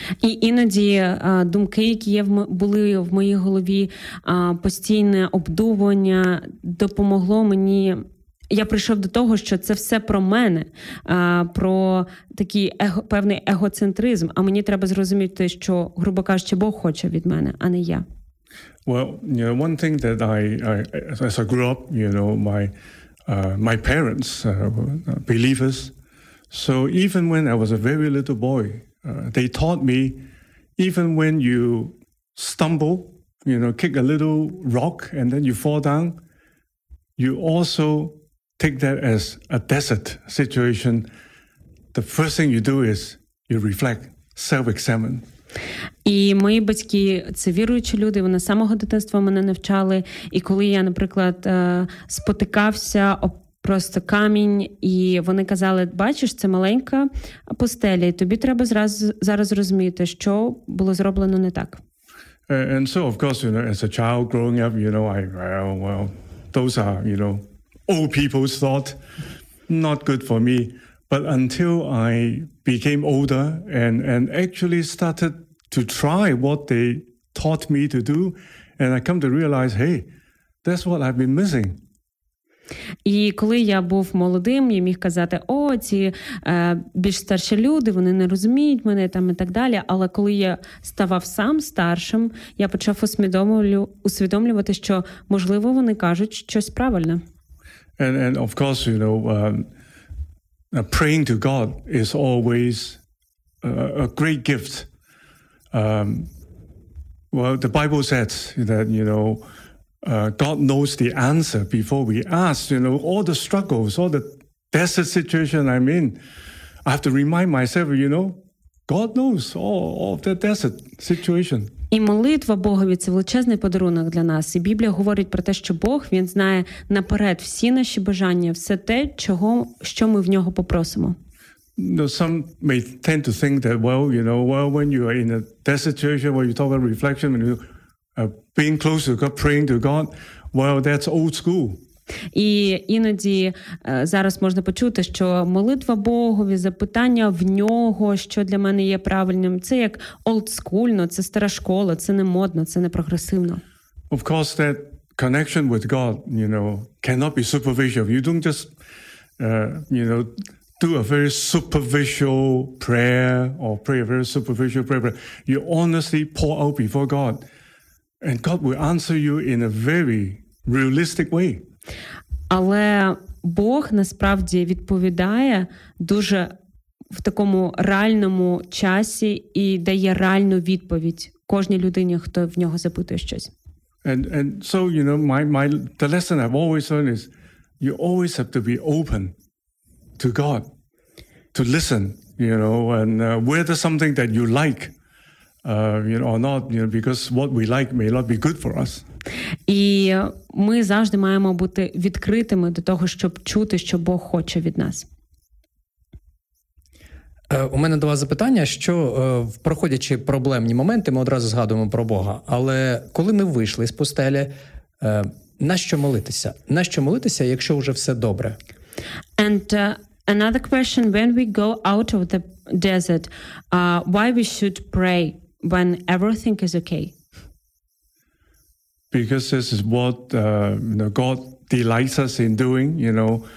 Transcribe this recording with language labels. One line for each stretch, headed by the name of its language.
Ukrainian: І іноді думки, які були в моїй голові, постійне обдумування допомогло мені. Я прийшов до того, що це все про мене, про такий певний егоцентризм, а мені треба зрозуміти, що, грубо кажучи, Бог хоче від мене, а не я.
English: Well, you know, one thing that I as I grew up, you know, my parents believers. So even when I was a very little boy, they taught me even when you stumble, you know, kick a little rock and then you fall down, you also take that as a desert situation, the first thing you do is you reflect, self-examine.
Ukrainian: І мої батьки, це віруючі люди, вони з самого дитинства мене навчали. І коли я, наприклад, спотикався об просто камінь, і вони казали, бачиш, це маленька пустеля, і тобі треба зараз зрозуміти, що було зроблено не так.
English: And so, of course, you know, as a child growing up, you know, those are, you know, old people's thought, not good for me. But until I became older and actually started to try what they taught me to do, and I come to realize, hey, that's what I've been missing.
Ukrainian: І коли я був молодим, я міг казати, о, ці більш старші люди, вони не розуміють мене там і так далі. Але коли я ставав сам старшим, я почав усвідомлювати, що, можливо, вони кажуть щось правильне.
English: And of course, you know, praying to God is always a great gift. Well, the Bible says that, you know, God knows the answer before we ask. You know, all the struggles, all the desperate situation I'm in, I have to remind myself, you know, God knows all of that desert situation.
Ukrainian: І молитва Богові – це величезний подарунок для нас. І Біблія говорить про те, що Бог, Він знає наперед всі наші бажання, все те, чого, що ми в Нього попросимо.
English: No, some may tend to think that, well, you know, well, when you are in a desert situation, when you talk about reflection, when you are being close to God, praying to God, well, that's old school.
Ukrainian: І іноді зараз можна почути, що молитва Богові, запитання в нього, що для мене є правильним, це як олдскульно, це стара школа, це не модно, це не прогресивно.
English: Of course, that connection with God, you know, cannot be superficial. You don't just, you know, do a very superficial prayer or pray a very superficial prayer. You honestly pour out before God, and God will answer you in a very realistic way.
Ukrainian: Але Бог насправді відповідає дуже в такому реальному часі і дає реальну відповідь кожній людині, хто в нього запитує щось.
English: And so, you know, my the lesson I've always learned is you always have to be open to God to listen, you know, and whether something that you like you know, or not, you know, because what we like may not be good for us.
Ukrainian: І ми завжди маємо бути відкритими до того, щоб чути, що Бог хоче від нас. У мене до вас запитання, що проходячи проблемні моменти, ми одразу згадуємо про Бога. Але коли ми вийшли з пустелі, на що молитися? На що молитися, якщо вже все добре?
English: And another question, when we go out of the desert, why we should pray when everything is okay? Because this is what you know, God delights us in doing, you know.